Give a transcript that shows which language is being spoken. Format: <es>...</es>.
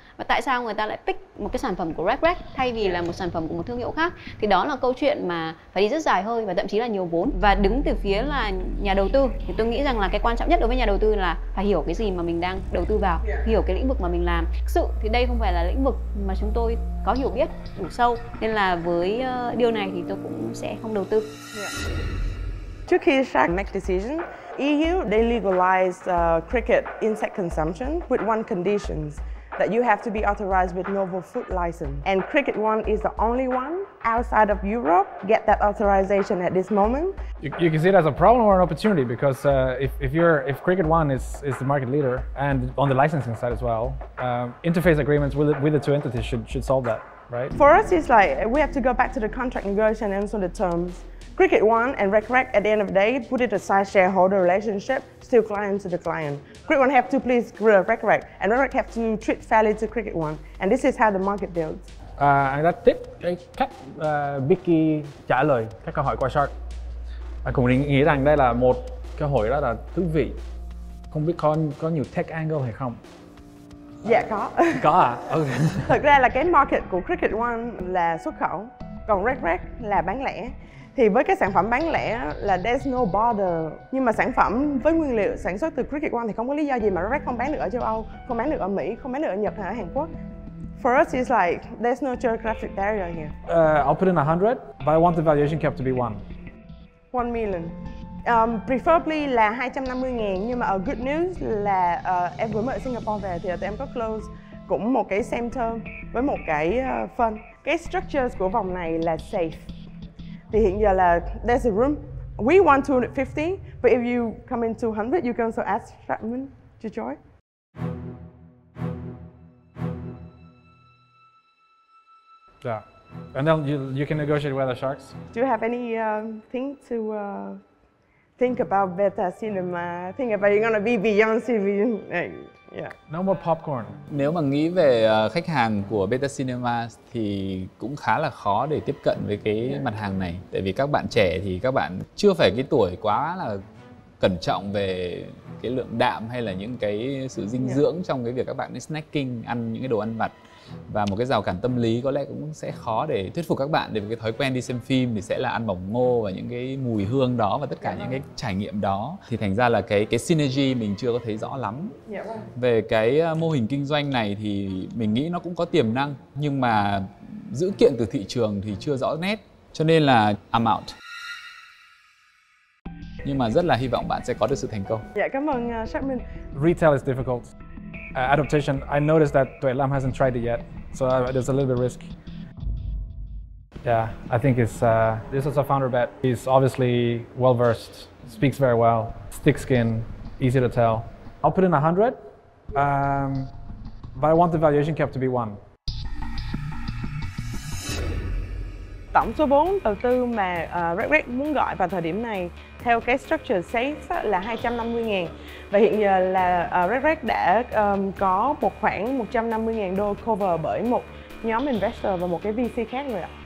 <vi>Và tại sao người ta lại pick một cái sản phẩm của RecRec thay vì là một sản phẩm của một thương hiệu khác, thì đó là câu chuyện mà phải đi rất dài hơi và thậm chí là nhiều vốn. Và đứng từ phía là nhà đầu tư thì tôi nghĩ rằng là cái quan trọng nhất đối với nhà đầu tư là phải hiểu cái gì mà mình đang đầu tư vào, hiểu cái lĩnh vực mà mình làm. Thực sự thì đây không phải là lĩnh vực mà chúng tôi có hiểu biết đủ sâu, nên là với điều này thì tôi cũng sẽ không đầu tư. Trước khi</vi> <en>Shark make decision, EU they legalized cricket insect consumption with one condition, that you have to be authorized with Novo Food license. And Cricket One is the only one outside of Europe get that authorization at this moment. You can see it as a problem or an opportunity, because if Cricket One is the market leader and on the licensing side as well, interface agreements with the two entities should solve that, right? For us, it's like we have to go back to the contract negotiation and some of the terms. Cricket One and RecRec at the end of the day put it aside shareholder relationship, still client to the client. Cricket One have to please RecRec, and RecRec have to treat fairly to Cricket One, and this is how the market builds. And that's it.</en> <vi>Cách Vicky trả lời các câu hỏi qua Shark. Cũng nghĩ rằng đây là một câu hỏi rất là thú vị. Không biết có nhiều tech angle hay không? Dạ có. Có à? Ok. Thực ra là cái market của Cricket One là xuất khẩu, còn RecRec là bán lẻ. Thì với cái sản phẩm bán lẻ là</vi> <en>there's no border.</en> <vi>Nhưng mà sản phẩm với nguyên liệu sản xuất từ Cricket One thì không có lý do gì mà RecRec không bán được ở châu Âu, không bán được ở Mỹ, không bán được ở Nhật hay ở Hàn Quốc.</vi> <en>For us it's like there's no geographic barrier here. I'll put in 100, but I want the valuation cap to be 1. 1 million.</en> <vi>Preferably là 250.000, nhưng mà</vi> <en>a good news</en> <vi>là em vừa mới ở Singapore về thì tụi em có close cũng một cái same term với một cái fund. Cái structures của vòng này là safe. Thì hiện giờ là</vi> <en>there's a room. We want 250, but if you come in 200, you can also ask Fratman to join. Yeah, and then you can negotiate with the sharks. Do you have any thing to think about Beta Cinema? Think about you're gonna be Beyoncé. No more popcorn.</en> <vi>Nếu mà nghĩ về khách hàng của Beta Cinema thì cũng khá là khó để tiếp cận với cái mặt hàng này. Tại vì các bạn trẻ thì các bạn chưa phải cái tuổi quá là cẩn trọng về cái lượng đạm hay là những cái sự dinh dưỡng trong cái việc các bạn snacking, ăn những cái đồ ăn vặt. Và một cái rào cản tâm lý có lẽ cũng sẽ khó để thuyết phục các bạn để cái thói quen đi xem phim thì sẽ là ăn bỏng ngô và những cái mùi hương đó và tất cả những cái trải nghiệm đó. Thì thành ra là cái synergy mình chưa có thấy rõ lắm. Về cái mô hình kinh doanh này thì mình nghĩ nó cũng có tiềm năng, nhưng mà dữ kiện từ thị trường thì chưa rõ nét. Cho nên là</vi> <en>I'm out.</en> <vi>Nhưng mà rất là hy vọng bạn sẽ có được sự thành công. Dạ, cảm ơn Shark Minh.</vi> <en>Retail is difficult. Adaptation, I noticed that Tuệ Lam hasn't tried it yet. So there's a little bit of risk. Yeah, I think it's this is a founder bet. He's obviously well versed, speaks very well, thick skin, easy to tell. I'll put in 100, but I want the valuation cap to be 1.</en> <vi>Tổng số vốn đầu tư mà RegRec muốn gọi vào thời điểm này theo cái structure safe là 250.000, và hiện giờ là RegRec đã có một khoảng 150.000 đô cover bởi một nhóm investor và một cái VC khác rồi ạ.</vi>